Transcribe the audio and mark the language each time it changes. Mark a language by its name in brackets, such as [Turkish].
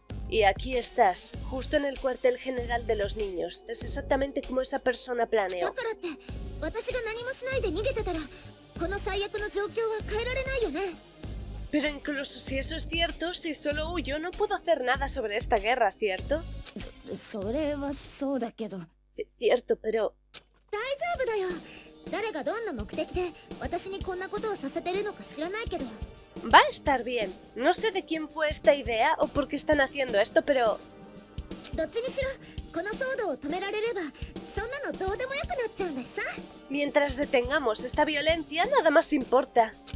[Spanish] Y aquí estás, justo en el cuartel general de los niños. Es exactamente como esa persona planeó. [Japanese] だからって、私が何もしないで逃げてたら、この最悪の状況は変えられないよね. [Spanish] Pero incluso si eso es cierto, si solo huyo, no puedo hacer nada sobre esta guerra, ¿cierto? [Japanese] それはそうだけど. [Spanish] Cierto, pero... [Japanese] 大丈夫だよ. 誰がどんな目的で私にこんなことをさせてるのか知らないけど. [Spanish] Va a estar bien. No sé de quién fue esta idea o por qué están haciendo esto, pero... [Japanese] どっちにしろ、この騒動を止められれば、そんなのどうでもよくなっちゃうんですさ. [Spanish] Mientras detengamos esta violencia, nada más importa.